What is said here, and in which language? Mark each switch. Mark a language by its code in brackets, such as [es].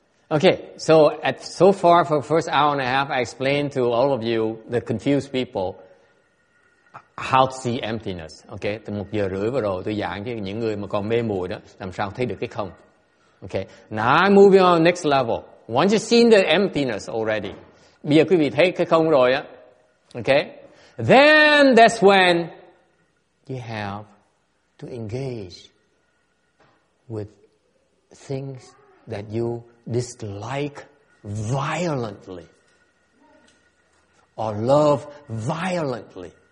[en] Okay, so at so far for the first hour and a half, I explained to all of you, the confused people, how to see emptiness. [vi] Okay, từ một giờ rưỡi vừa rồi tôi giảng cho những người mà còn mê muội đó làm sao thấy được cái không. [en] Okay, now moving on next level. Once you've seen the emptiness already, [vi] bây giờ quý vị thấy cái không rồi á. [en] Okay, then that's when you have to engage with things that you dislike violently or love violently.